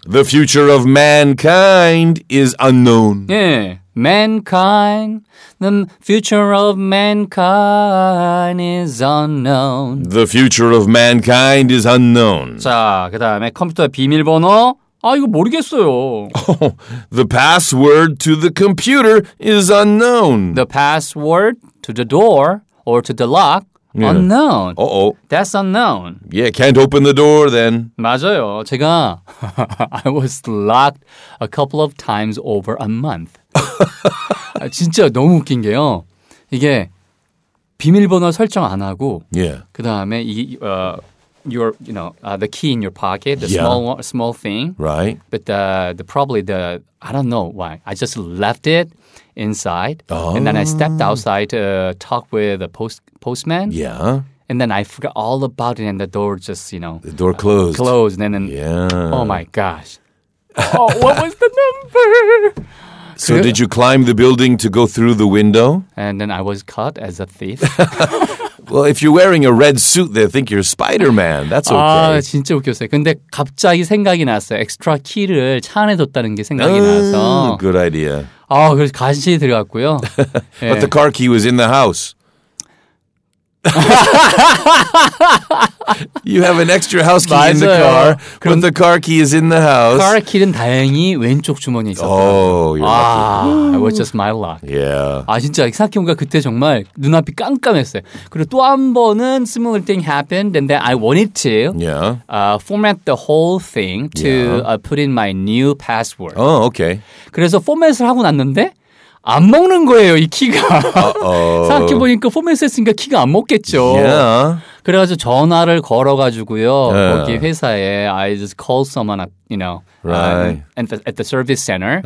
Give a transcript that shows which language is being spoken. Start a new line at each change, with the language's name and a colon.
English: The future of mankind is unknown. 예, mankind. The future of mankind is unknown. The future of mankind is unknown.
Korean: 자, 그 다음에 컴퓨터 비밀번호. 아, 이거 모르겠어요.
English: Oh, the password to the computer is unknown. The password to the door or to the lock. Yeah. Unknown. Uh-oh. That's unknown. Yeah, can't open the door then.
Korean: 맞아요. 제가
English: I was locked a couple of times over a month.
Korean: 진짜 너무 웃긴 게요. 이게 비밀번호 설정 안 하고
English: yeah.
Korean: 그다음에 이
English: your you know, the key in your pocket, the yeah. small thing. Right. But the probably the I don't know why. I just left it inside oh. and then I stepped outside to talk with the postman. Yeah. And then I forgot all about it and the door just, you know. The door closed. Closed and then yeah. Oh my gosh. Oh, what was the number? So did you climb the building to go through the window? And then I was caught as a thief. Well, if you're wearing a red suit, they think you're Spider-Man. That's okay.
Korean: 아, 진짜 웃겼어요. 근데 갑자기 생각이 났어요. 엑스트라 키를 차 안에 뒀다는 게 생각이 나서.
English: Good idea.
Korean: 아, 그래서 간신히 들어갔고요.
English: But 네. the car key was in the house. You have an extra house key
Korean: 맞아요.
English: in the car, but the car key is in the house.
Korean: Car key는 다행히 왼쪽 주머니에 있었어요.
English: Oh, you're lucky. It was just my luck. Yeah.
Korean: 아, 진짜 생각해보니까 그때 정말 눈앞이 깜깜했어요. 그리고 또 한 번은
English: similar thing happened, and then I wanted to format the whole thing to put in my new password. Oh, okay.
Korean: 그래서 포맷을 하고 났는데 안 먹는 거예요, 이 키가. 생각해보니까 포맷했으니까 키가 안 먹겠죠.
English: Yeah.
Korean: 그래가지고 전화를 걸어가지고요.
English: Yeah.
Korean: 거기 회사에
English: I just called someone, you know, at the service center.